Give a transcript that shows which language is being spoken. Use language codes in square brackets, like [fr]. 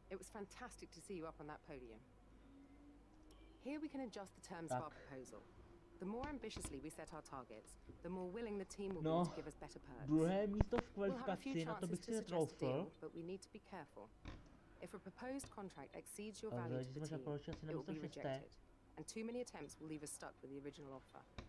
[en] It was fantastic to see you up on that podium. Here we can adjust the terms of our proposal. The more ambitiously we set our targets, the more willing the team will be to give us better perks. [cs] Druhé místo v kvalifikaci, na to bych si netroufil. [en] But we need to be careful. If a proposed contract exceeds your value to the team, it will be rejected. And too many attempts will leave us stuck with the original offer.